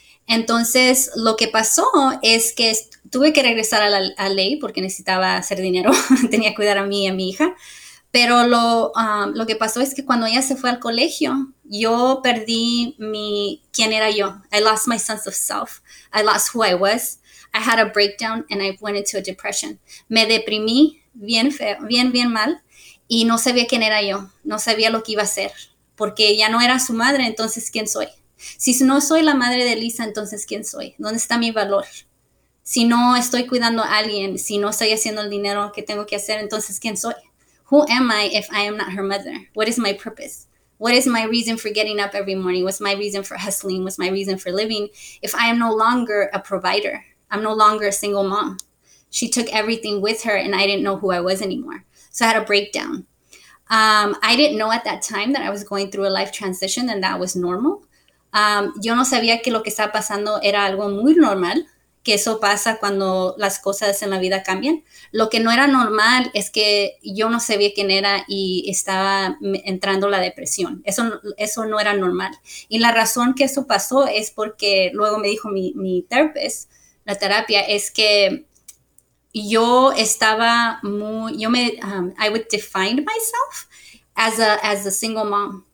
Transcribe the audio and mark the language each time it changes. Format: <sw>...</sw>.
<es>Entonces, lo que pasó es que tuve que regresar a la ley porque necesitaba hacer dinero, tenía que cuidar a mí y a mi hija. Pero lo que pasó es que cuando ella se fue al colegio, yo perdí mi, quién era yo.</es> <en>I lost my sense of self. I lost who I was. I had a breakdown and I went into a depression.</en> <es>Me deprimí bien feo, bien mal, y no sabía quién era yo. No sabía lo que iba a hacer porque ya no era su madre. Entonces, ¿quién soy? Si no soy la madre de Lisa, entonces, ¿quién soy? ¿Dónde está mi valor? Si no estoy cuidando a alguien, si no estoy haciendo el dinero que tengo que hacer, entonces, ¿quién soy?</es> <en>Who am I if I am not her mother? What is my purpose? What is my reason for getting up every morning? What's my reason for hustling? What's my reason for living? If I am no longer a provider, I'm no longer a single mom. She took everything with her and I didn't know who I was anymore. So I had a breakdown. I didn't know at that time that I was going through a life transition and that was normal.</en> <es>Yo no sabía que lo que estaba pasando era algo muy normal. Que eso pasa cuando las cosas en la vida cambian. Lo que no era normal es que yo no sabía quién era y estaba entrando la depresión. Eso no era normal. Y la razón que eso pasó es porque luego me dijo mi therapist, la terapia, es que yo estaba muy, yo me,</es> <en>I would define myself as a single mom.</en>